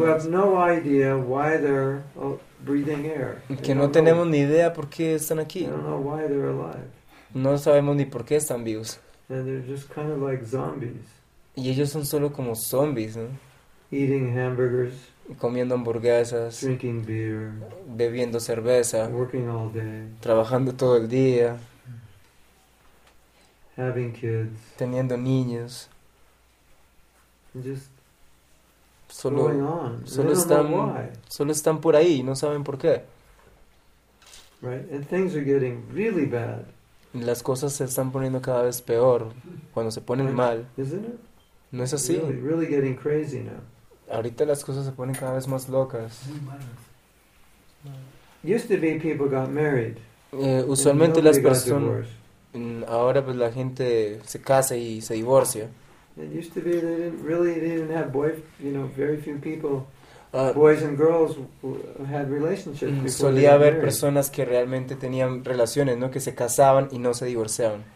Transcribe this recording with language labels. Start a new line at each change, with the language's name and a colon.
English: Who have no idea why they're breathing air.
Spanish: Que no tenemos ni idea por qué están aquí.
English: They don't know why they're alive.
Spanish: No sabemos ni por qué están vivos.
English: And they're just kind of like zombies.
Spanish: Y ellos son solo como zombies, ¿no?
English: Eating hamburgers.
Spanish: Comiendo hamburguesas,
English: drinking beer,
Spanish: bebiendo cerveza,
English: working all day,
Spanish: trabajando todo el día,
English: having kids,
Spanish: teniendo niños,
English: just
Spanish: solo,
English: going on.
Spanish: Solo están,
English: they don't know why.
Spanish: Solo están por ahí y no saben por qué.
English: Right? And things are getting really bad.
Spanish: Las cosas se están poniendo cada vez peor cuando se ponen mal.
English: Isn't it?
Spanish: No es así.
English: Really, really getting crazy now.
Spanish: Ahorita las cosas se ponen cada vez más locas.
English: Used to be people got married.
Spanish: Usualmente las personas, ahora pues la gente se casa y se divorcia.
English: It used to be they didn't have very few people. Boys and girls had relationships before.
Spanish: Solía haber personas que realmente tenían relaciones, ¿no? Que se casaban y no se divorciaban.